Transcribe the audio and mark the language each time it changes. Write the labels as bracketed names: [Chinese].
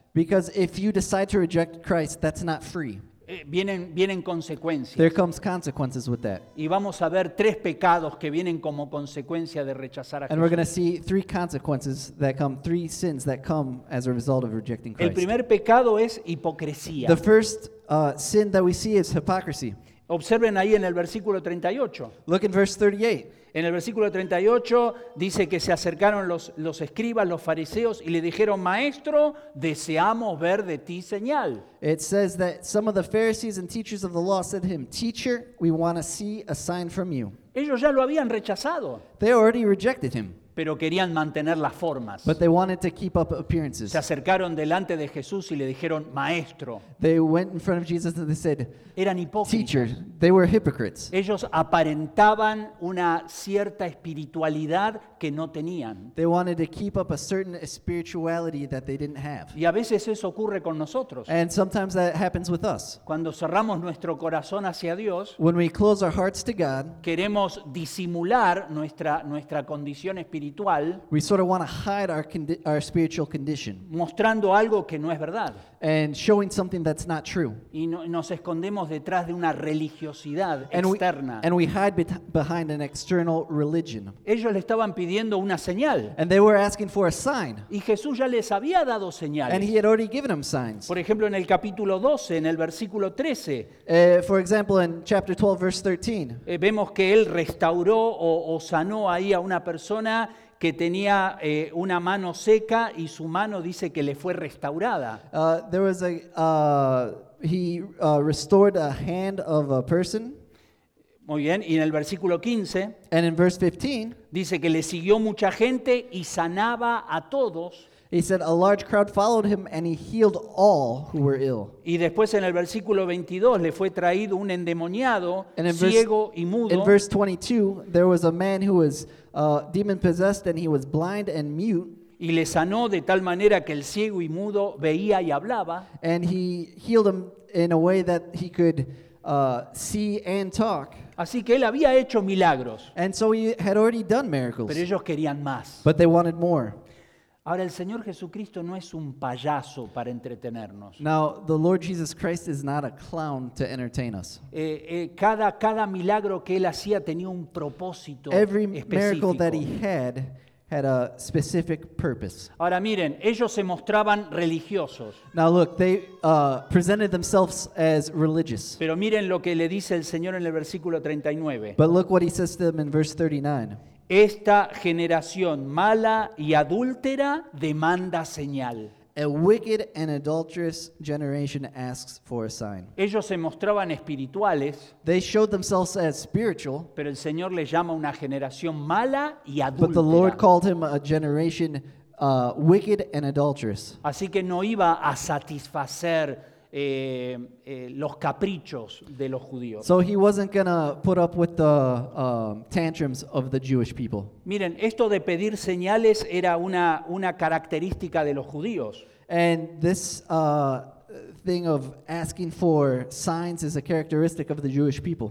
[English] Because if you decide to reject Christ, that's not free. [Spanish] Vienen consecuencias. [English] There comes consequences with that. [Spanish] Y vamos a ver tres pecados que vienen como consecuencia de rechazar a Cristo. [English] And we're going to see three consequences that come, three sins that come as a result of rejecting Christ. [Spanish] El primer pecado es hipocresía. [English] The first sin that we see is hypocrisy. [Spanish] Observen ahí en el versículo 38. [English] Look in verse 38. [Spanish] En el versículo 38 dice que se acercaron los escribas, los fariseos, y le dijeron, Maestro, deseamos ver de ti señal. [English] It says that some of the Pharisees and teachers of the law said to him, Teacher, we want to see a sign from you. [Spanish] Ellos ya lo habían rechazado. [English] They already rejected him. [Spanish] Pero querían mantener las formas. [English] But they wanted to keep up appearances. [Spanish] Se acercaron delante de Jesús y le dijeron, Maestro. [English] They went in front of Jesus and they said, [Spanish] Eran hipócritas. [English] Teacher, they were hypocrites. [Spanish] Ellos aparentaban una cierta espiritualidad que no tenían. [English] They wanted to keep up a certain spirituality that they didn't have. [Spanish] Y a veces eso ocurre con nosotros. [English] And sometimes that happens with us. [Spanish] Cuando cerramos nuestro corazón hacia Dios, [English] when we close our hearts to God, [Spanish] queremos disimular nuestra condición espiritual. espiritual. [English] We sort of want to hide our spiritual condition. [Spanish] Mostrando algo que no es verdad. [English] And showing something that's not true. [Spanish] Y no, nos escondemos detrás de una religiosidad [English] and [Spanish] externa. [English] We hide behind an external religion. [Spanish] Ellos le estaban pidiendo una señal. [English] And they were asking for a sign. [Spanish] Y Jesús ya les había dado señales. [English] And he had already given them signs. [Spanish] Por ejemplo, en el capítulo 12, en el versículo 13. [English] For example, in chapter 12, verse 13. [Spanish] Vemos que él restauró o sanó ahí a una persona que tenía una mano seca y su mano dice que le fue restaurada. [English] There was a restored a hand of a person. [Spanish] Muy bien, y en el versículo 15, [English] and in verse 15, [Spanish] dice que le siguió mucha gente y sanaba a todos. [English] He said a large crowd followed him and he healed all who were ill. [Spanish] Y después en el versículo 22 le fue traído un endemoniado, ciego y mudo. [English] In verse 22 there was a man who was demon possessed and he was blind and mute. [Spanish] Y le sanó de tal manera que el ciego y mudo veía y hablaba. [English] And he healed him in a way that he could see and talk. [Spanish] Así que él había hecho milagros. [English] And so he had already done miracles. [Spanish] Pero ellos querían más. [English] But they wanted more. [Spanish] Ahora el Señor Jesucristo no es un payaso para entretenernos. [English] Now the Lord Jesus Christ is not a clown to entertain us. [Spanish] Cada milagro que él hacía tenía un propósito [English] Every [Spanish] específico. [English] Miracle that he had a specific purpose. [Spanish] Ahora miren, ellos se mostraban religiosos. [English] Now look, they presented themselves as religious. [Spanish] Pero miren lo que le dice el Señor en el versículo 39. [English] But look what he says to them in verse 39. [Spanish] Esta generación mala y adúltera demanda señal. [English] A wicked and adulterous generation asks for a sign. [Spanish] Ellos se mostraban espirituales. [English] They showed themselves as spiritual. [Spanish] Pero el Señor les llama una generación mala y adúltera. [English] But the Lord called him a generation wicked and adulterous. [Spanish] Así que no iba a satisfacer los caprichos de los judíos. [English] So he wasn't gonna put up with the tantrums of the Jewish people. [Spanish] Miren, esto de pedir señales era una característica de los judíos. [English] And this thing of asking for signs is a characteristic of the Jewish people.